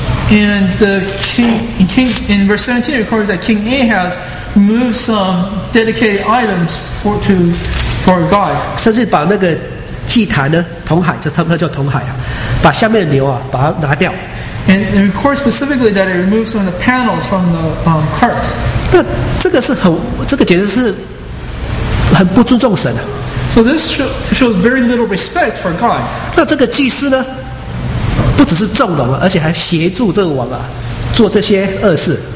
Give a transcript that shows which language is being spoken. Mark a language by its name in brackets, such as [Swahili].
[English] And the king in verse 17 records that King Ahaz moved some dedicated items for God. [Chinese] 甚至把那个祭坛呢，铜海就差不多叫铜海啊，把下面的牛啊，把它拿掉。 [English] And it records specifically that it removes some of the panels from the cart. [Chinese] 那这个是很，这个简直是很不尊重神啊。 [English] So this shows very little respect for God. [Chinese] 那这个祭司呢，不只是纵容了，而且还协助这个王啊，做这些恶事。